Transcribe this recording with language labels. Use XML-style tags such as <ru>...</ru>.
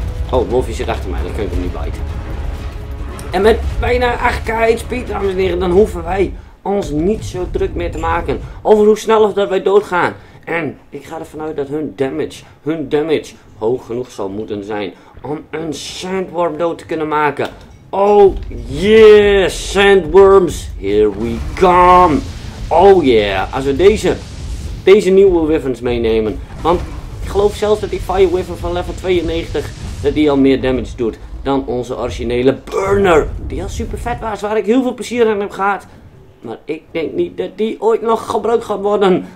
<nl>Oh, Wolfje zit achter mij, dan kan ik hem niet bijten. En met bijna 8k HP, dames en heren, dan hoeven wij ons niet zo druk meer te maken over hoe snel of dat wij doodgaan. En ik ga ervan uit dat hun damage hoog genoeg zal moeten zijn om een sandworm dood te kunnen maken.</nl> <en>Oh yeah, sandworms, here we come. Oh yeah,</en> <nl>als we deze nieuwe Wyverns meenemen. Want ik geloof zelfs dat die Fire Wyvern van level 92, dat die al meer damage doet dan onze originele Burner. Die al super vet was, waar ik heel veel plezier aan heb gehad. Maar ik denk niet dat die ooit nog gebruikt gaat worden.</nl>